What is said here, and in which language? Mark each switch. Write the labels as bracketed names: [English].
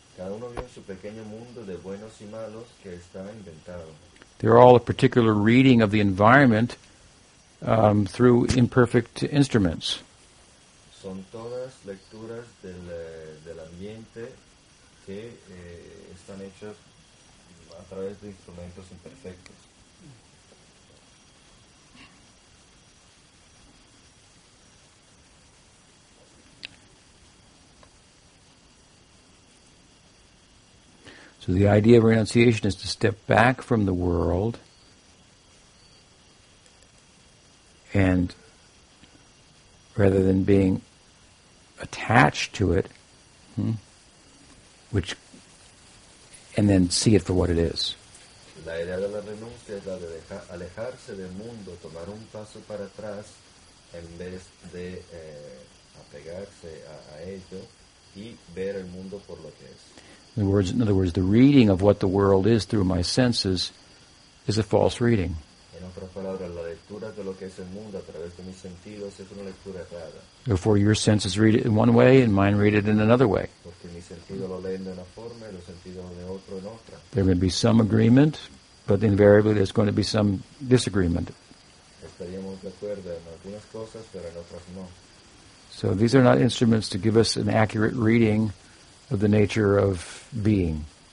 [Spanish] Cada uno vive en su pequeño mundo de buenos y malos que está inventado. [English] They're all a particular reading of the environment through imperfect instruments. [Spanish] Son todas lecturas del ambiente que están hechas a través de instrumentos imperfectos. [English] So the idea of renunciation is to step back from the world and rather than being attached to it, which and then see it for what it is. [Spanish] La idea de la renuncia es la de alejarse del mundo, tomar un paso para atrás en vez de apegarse a ello y ver el mundo por lo que es. [English] In other words, the reading of what the world is through my senses is a false reading. [Spanish] En otras palabras, la lectura de lo que es el mundo a través de mis sentidos es una lectura errada. [English] Therefore, your senses read it in one way and mine read it in another way. [Spanish] Porque mis sentidos lo leen de una forma y los sentidos de otro en otra. [English] There may be some agreement, but invariably there's going to be some disagreement. [Spanish] Estaríamos de acuerdo en algunas cosas, pero en otras no. [English] So these are not instruments to give us an accurate reading of the nature of being.